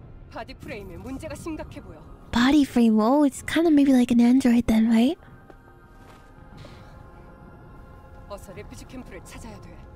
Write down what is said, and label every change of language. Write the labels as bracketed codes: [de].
[ko] 바디 프레임에 문제가 심각해 보여. [en] Body frame. Oh, it's kind of maybe like an android then, right? [ko] 어서 레퓨지 캠프를 찾아야 돼.